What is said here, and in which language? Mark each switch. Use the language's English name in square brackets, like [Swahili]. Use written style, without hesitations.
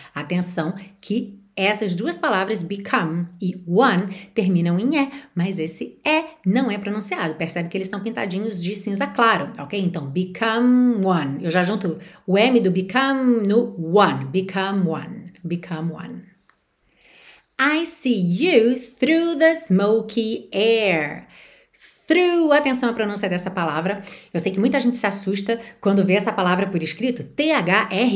[Portuguese] Atenção que essas duas palavras, become e one, terminam em E, mas esse E não é pronunciado. Percebe que eles estão pintadinhos de cinza claro, ok? Então, [English] become one. [Portuguese] Eu já junto o M do become no one. [English] Become one. Become one. I see you through the smoky air. [Portuguese] Through, atenção à pronúncia dessa palavra. Eu sei que muita gente se assusta quando vê essa palavra por escrito, THROUGH.